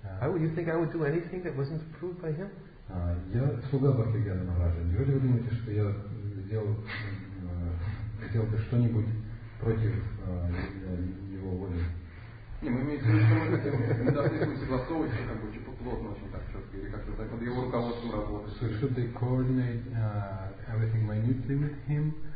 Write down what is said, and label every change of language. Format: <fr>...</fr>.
<en>Would you think I would do anything that wasn't approved by him?</en> <ru>Я слуга Бхактивьяна Махараджа. Неужели вы думаете, что я сделал бы что-нибудь против его воли? Не, мы имеем в виду, что мы должны согласовывать все как бы очень плотно, очень так четко, или как-то так под его руководством работать.</ru> <en>So should they coordinate everything minutely with him?</en>